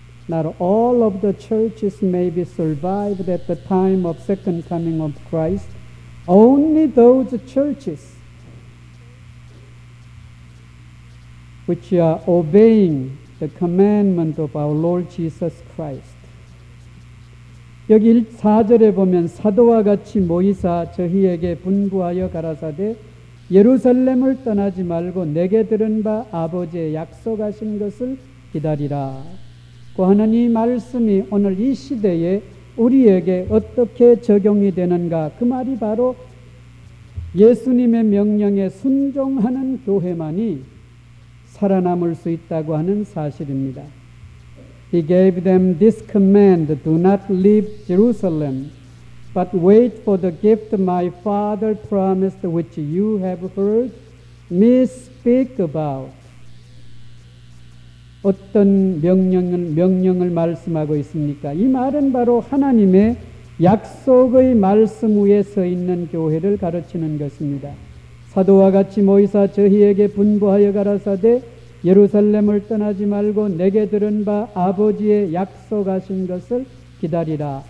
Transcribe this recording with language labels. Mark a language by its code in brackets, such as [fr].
[en] Not all of the churches may be survived at the time of second coming of Christ. Only those churches which are obeying the commandment of our Lord Jesus Christ. [ko] 여기 4절에 보면 사도와 같이 모이사 저희에게 분부하여 가라사대 예루살렘을 떠나지 말고 내게 들은 바 아버지의 약속하신 것을 기다리라. 고 하는 이 말씀이 오늘 이 시대에 우리에게 어떻게 적용이 되는가? 그 말이 바로 예수님의 명령에 순종하는 교회만이 살아남을 수 있다고 하는 사실입니다. [en] He gave them this command, Do not leave Jerusalem, but wait for the gift my Father promised, which you have heard me speak about. [ko] 어떤 명령을 말씀하고 있습니까? 이 말은 바로 하나님의 약속의 말씀 위에 서 있는 교회를 가르치는 것입니다. 사도와 같이 모이사 저희에게 분부하여 가라사대 예루살렘을 떠나지 말고 내게 들은 바 아버지의 약속하신 것을 기다리라.